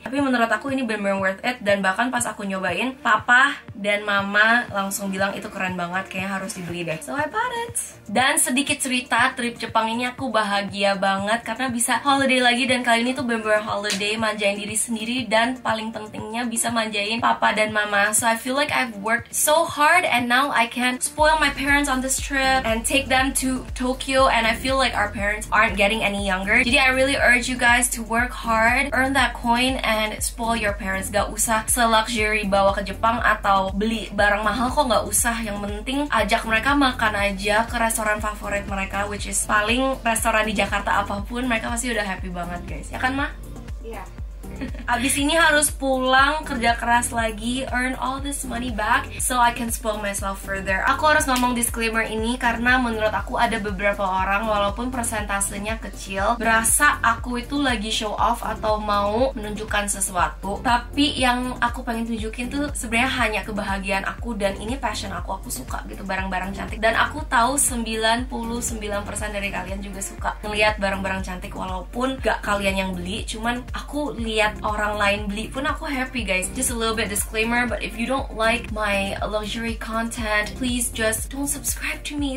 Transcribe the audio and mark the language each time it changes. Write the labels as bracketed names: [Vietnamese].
[Indonesian] Tapi menurut aku ini bener-bener worth it. Dan bahkan pas aku nyobain, papa dan mama langsung bilang itu keren banget, kayaknya harus dibeli deh. [English] So I bought it. [Indonesian] Dan sedikit cerita, trip Jepang ini aku bahagia banget karena bisa holiday lagi, dan kali ini tuh bener-bener holiday, manjain diri sendiri, dan paling pentingnya bisa manjain papa dan mama. [English] So I feel like I've worked so hard and now I can spoil my parents on this trip and take them to Tokyo, and I feel like our parents aren't getting any younger. Jadi I really urge you guys to work hard, earn that coin and spoil your parents. [Indonesian] Gak usah se-luxury bawa ke Jepang atau beli barang mahal kok, gak usah. Yang penting ajak mereka makan aja ke restoran favorit mereka, [English] which is [Indonesian] paling restoran di Jakarta apapun, mereka pasti udah happy banget guys. Ya kan, Ma? Iya. Yeah. Abis ini harus pulang, kerja keras lagi, [English] earn all this money back so I can spoil myself further. [Indonesian] Aku harus ngomong disclaimer ini karena menurut aku ada beberapa orang, walaupun persentasenya kecil, berasa aku itu lagi show off atau mau menunjukkan sesuatu. Tapi yang aku pengen tunjukin tuh sebenarnya hanya kebahagiaan aku, dan ini passion aku. Aku suka gitu barang-barang cantik, dan aku tahu 99% dari kalian juga suka ngelihat barang-barang cantik walaupun gak kalian yang beli. Cuman aku lihat ngelihat orang lain beli pun aku happy guys. [English] Just a little bit disclaimer, but if you don't like my luxury content, please just don't subscribe to me.